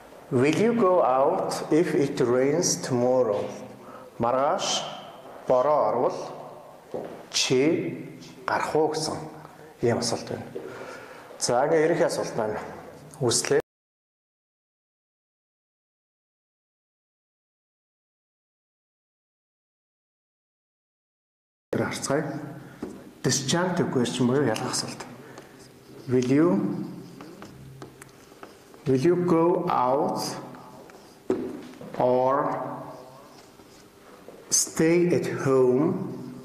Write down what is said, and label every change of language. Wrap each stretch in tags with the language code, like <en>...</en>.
<en>Will you go out if it rains tomorrow?</en> <mn>Маргааш бороо орвол чи гарах уу гэсэн ийм асуулт байна. За, ингэ ерөнхий асуулт байна. Үслэ. Харцгаая. Disjunctive question буюу ялгах асуулт.</mn> <en>Will you go out or stay at home?</en>